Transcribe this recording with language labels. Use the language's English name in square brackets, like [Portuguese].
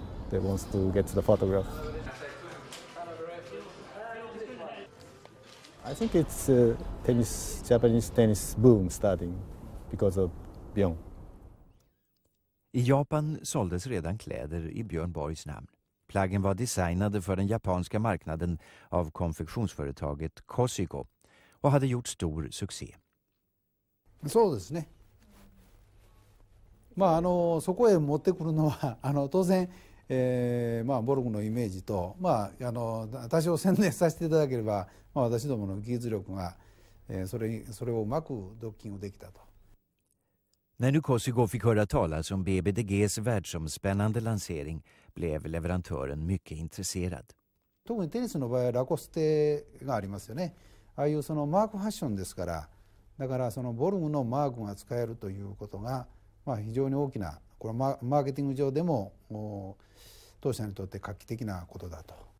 [English] They want to get to the photograph. I think it's tennis, Japanese tennis boom starting because of Björn. [Swedish] I Japan såldes redan kläder i Björn Borgs namn. Plaggen var designade för den japanska marknaden av konfektionsföretaget Kosiko och hade gjort stor succé. Det såldes, ne? [Japanese] まあ、あのそこへ持ってくるのはあの当然、まあ、ボルグのイメージと、まあ、あの多少宣伝させていただければ、まあ、私どもの技術力が、それをうまくドッキングできたと。 [Swedish] När nu Kosigo fick höra talas om BBDGs världsomspännande lansering blev leverantören mycket intresserad. [Japanese] 特にテニスの場合はラコステがありますよね。ああいうそのマークファッションですから、だからそのボルグのマークが使えるということが、まあ、非常に大きな、これはマーケティング上でも当社にとって画期的なことだと。